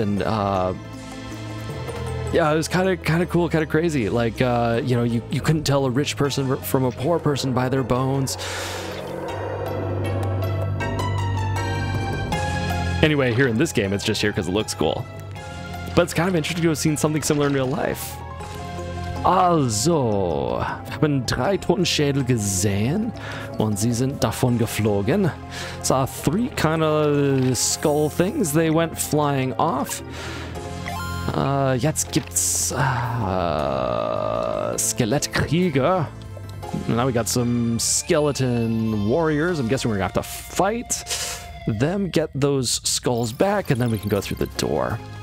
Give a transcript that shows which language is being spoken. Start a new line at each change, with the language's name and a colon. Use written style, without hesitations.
English: And, yeah, it was kind of cool, kind of crazy. Like, you know, you couldn't tell a rich person from a poor person by their bones. Anyway, here in this game, it's just here because it looks cool. But it's kind of interesting to have seen something similar in real life.
German: Also, wir haben drei Totenschädel gesehen und sie sind davon geflogen.
English: Saw three kind of skull things, they went flying off.
German: Jetzt gibt's Skelettkrieger.
English: Now we got some skeleton warriors. I'm guessing we're gonna have to fight them, get those skulls back, and then we can go through the door.